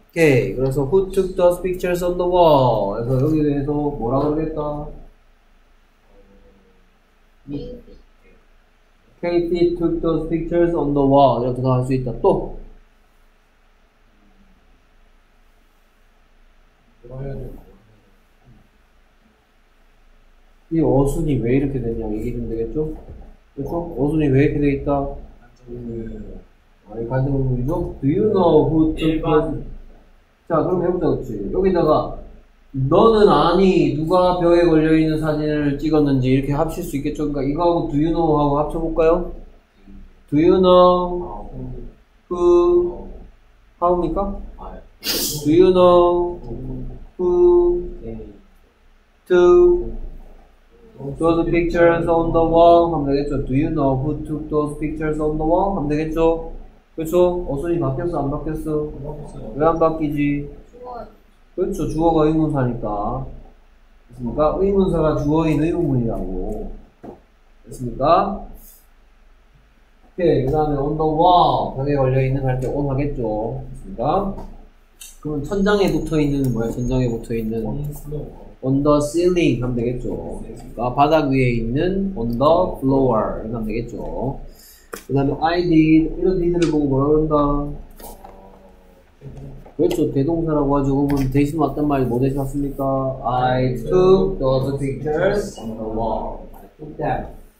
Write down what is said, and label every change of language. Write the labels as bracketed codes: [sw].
[en] Okay, 그래서 Who took those pictures on the wall? [ko] 그래서 여기 대해서 뭐라 그러겠다? [en] Katie took those pictures on the wall. [ko] 이렇게 더 할 수 있다. 또 이 어순이 왜 이렇게 되냐 얘기하면 되겠죠? 그래서 어순이 왜 이렇게 되겠다? 아니 간접문이죠? [en] Do you know who took those? [ko] 자 그럼 해보자. 그치 여기다가 너는 아니 누가 벽에 걸려있는 사진을 찍었는지 이렇게 합칠 수 있겠죠? 그러니까 이거하고 [en] do you know [ko] 하고 합쳐볼까요? [en] Do you know who [ko] 하옵니까? [en] Do you know who to those pictures on the wall [ko] 하면 되겠죠. [en] Do you know who took those pictures on the wall [ko] 하면 되겠죠. 그렇죠. 어순이 바뀌었어 안 바뀌었어? 바뀌었어요. 왜 안 바뀌지? 주어. 그렇죠. 주어가 의문사니까. 됐습니까? 의문사가 주어인 의문문이라고. 됐습니까? 오케이. 그 다음에 [en] on the wall [ko] 벽에 걸려있는 할 때 on 하겠죠. 됐습니까? 그러면 천장에 붙어있는 뭐야? 천장에 붙어있는 [en] on the ceiling [ko] 하면 되겠죠. 그러니까 바닥 위에 있는 [en] on the floor [ko] 이렇게 하면 되겠죠. 그 다음에 I did 이런 did를 보고 뭐라 그런다? 그렇죠. 대동사라고 하죠. 그러면 대신 왔단 말이 뭐 대신 왔습니까? [en] I took those pictures on the wall. I took them.